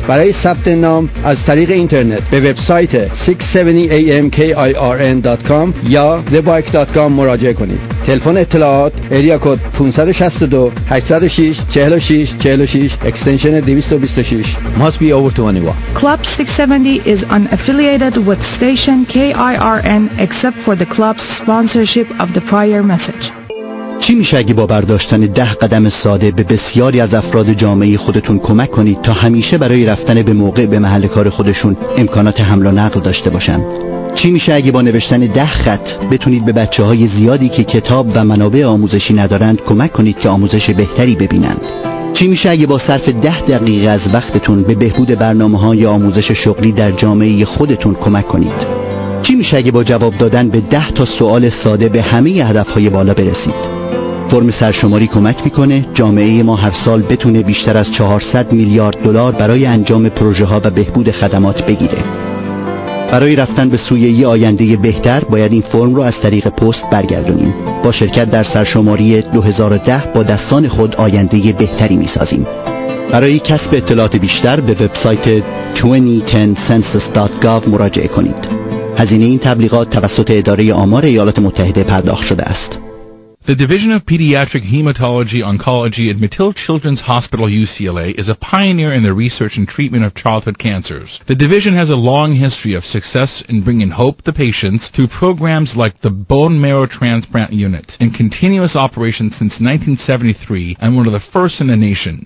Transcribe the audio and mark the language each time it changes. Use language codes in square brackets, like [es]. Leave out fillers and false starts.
[fa] برای ثبت نام از طریق اینترنت به وبسایت 670amkirn.com یا thebike.com مراجعه کنید. تلفن اطلاعات ایریا کد 562-806-4646 اکستنشن 226. [en] Must be over 21. Club 670 is unaffiliated with station KIRN except for the club's sponsorship of the prior message. [fa] چی میشه اگه با برداشتن 10 قدم ساده به بسیاری از افراد جامعه خودتون کمک کنید تا همیشه برای رفتن به موقع به محل کار خودشون امکانات حمل و نقل داشته باشن؟ چی میشه اگه با نوشتن 10 خط بتونید به بچه‌های زیادی که کتاب و منابع آموزشی ندارند کمک کنید که آموزش بهتری ببینند؟ چی میشه اگه با صرف 10 دقیقه از وقتتون به بهبود برنامه‌های آموزش شغلی در جامعه خودتون کمک کنید؟ چی میشه اگه با جواب دادن به 10 تا سوال ساده به همه هدف‌های بالا برسید؟ فرم سرشماری کمک میکنه جامعه ما هر سال بتونه بیشتر از 400 میلیارد دلار برای انجام پروژه‌ها و بهبود خدمات بگیره. برای رفتن به سوی یه آینده بهتر باید این فرم رو از طریق پست برگردونیم. با شرکت در سرشماری 2010 با دستان خود آینده بهتری میسازیم. برای کسب اطلاعات بیشتر به وبسایت 2010census.gov مراجعه کنید. هزینه این تبلیغات توسط اداره آمار ایالات متحده پرداخت شده است. [en] The Division of Pediatric Hematology Oncology at McGill Children's Hospital UCLA is a pioneer in the research and treatment of childhood cancers. The division has a long history of success in bringing hope to patients through programs like the Bone Marrow Transplant Unit and continuous operations since 1973 and one of the first in the nation.